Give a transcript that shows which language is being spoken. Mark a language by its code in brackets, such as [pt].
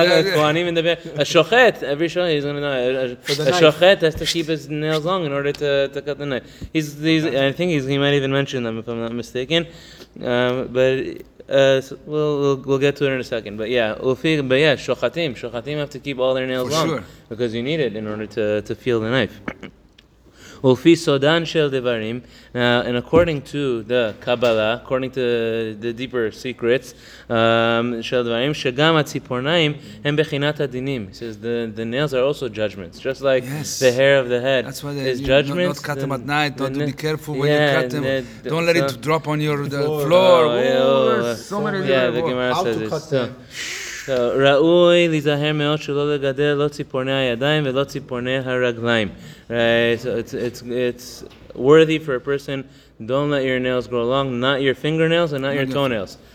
[en] Kohanim in the Beit HaMikdash. A Shochet, every Shochet, he's going to know. A Shochet has to keep his nails long in order to cut the knife. I think he might even mention them, if I'm not mistaken. We'll get to it in a second. But yeah, Shochatim have to keep all their nails long. For sure. Because you need it in order to feel the knife. [he] ולפי סודן של דברים, [en] and according to the Kabbalah, according to the deeper secrets, [he] של דברים, שגם הציפורניים הם בחינת הדינים. [en] He says the nails are also judgments, just like the hair of the head. That's why they not cut them at night, not to be careful when you cut them. Don't let it drop on your floor. The Gemara says this. [he] ראוי להיזהר מאוד שלא לגדל לא ציפורני הידיים ולא ציפורני הרגליים. [en] Right, so it's worthy for a person, don't let your nails grow long, not your fingernails and not your toenails.